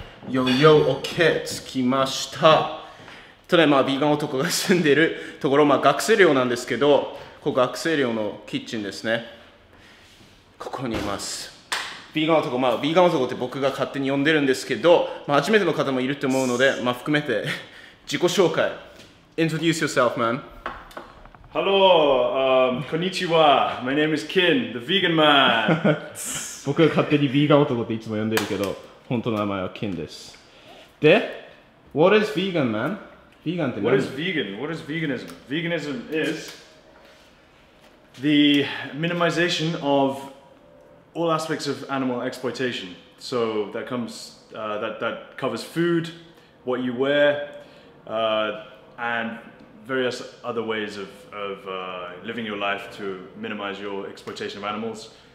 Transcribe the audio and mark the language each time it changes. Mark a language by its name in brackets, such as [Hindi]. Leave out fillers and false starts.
[Japanese] よいよ OK 着きました。ただまあビーガン男が住んでいるところ、まあ学生寮なんですけど、ここ学生寮のキッチンですね。ここにいます。ビーガン男、まあビーガン男って僕が勝手に呼んでるんですけど、まあ初めての方もいると思うので、まあ含めて自己紹介 [English] Introduce yourself man。 Hello, konnichiwa. My name is Ken, the vegan man. [Japanese] 僕は勝手にヴィーガン男っていつも呼んでるけど、本当の名前は Ken です。 [English] で、What is vegan, man? Vegan [Japanese] って何？ [English] What is vegan? What is veganism? Veganism is the minimization of all aspects of animal exploitation. So that comes, that covers food, what you wear, and various other ways of living your life to minimize your exploitation of animals.